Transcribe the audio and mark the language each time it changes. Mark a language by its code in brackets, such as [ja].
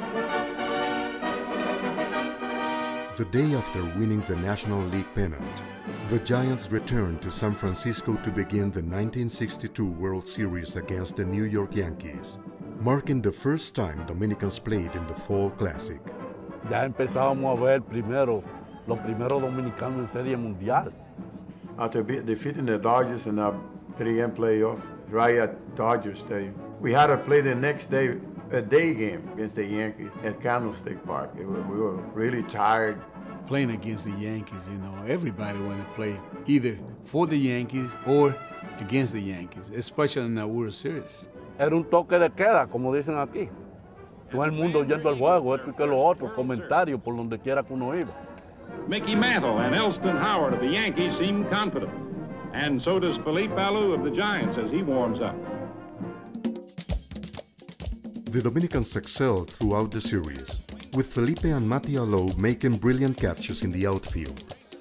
[en] The day after winning the National League pennant, the Giants returned to San Francisco to begin the 1962 World Series against the New York Yankees, marking the first time Dominicans played in the Fall Classic. [es] Ya empezábamos a ver los primeros dominicanos en Serie Mundial. [en] After defeating the Dodgers in a three-game playoff, right at Dodgers Day, we had to play the next day a day game against the Yankees at Candlestick Park. We were really tired. Playing against the Yankees, you know, everybody wanted to play either for the Yankees or against the Yankees, especially in the World Series. [es] Era un toque de queda, como dicen aquí. Todo el mundo yendo al juego, esto y que lo otro, comentario por donde quiera que uno iba. [en] Mickey Mantle and Elston Howard of the Yankees seem confident. And so does Felipe Alou of the Giants as he warms up. The Dominicans excelled throughout the series, with Felipe and Matty Alou making brilliant catches in the outfield.